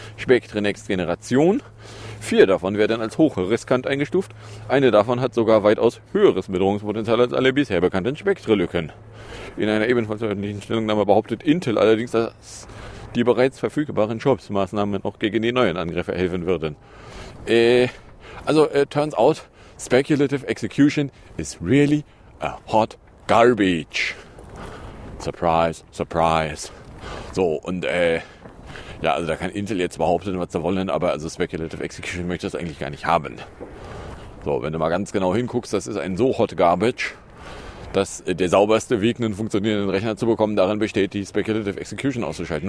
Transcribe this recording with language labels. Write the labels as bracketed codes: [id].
[de] Spectre Next Generation. 4 davon werden als hochriskant eingestuft. Eine davon hat sogar weitaus höheres Bedrohungspotenzial als alle bisher bekannten Spectre-Lücken. In einer ebenfalls öffentlichen Stellungnahme behauptet Intel allerdings, dass die bereits verfügbaren Shops-Maßnahmen auch gegen die neuen Angriffe helfen würden. [en] Turns out, speculative execution is really a hot garbage. Surprise, surprise. [de] So, und ja, also da kann Intel jetzt behaupten, was sie wollen, aber also speculative execution möchte das eigentlich gar nicht haben. So, wenn du mal ganz genau hinguckst, das ist ein so [en] hot garbage, [de] dass der sauberste Weg, einen funktionierenden Rechner zu bekommen, darin besteht, die Speculative Execution auszuschalten.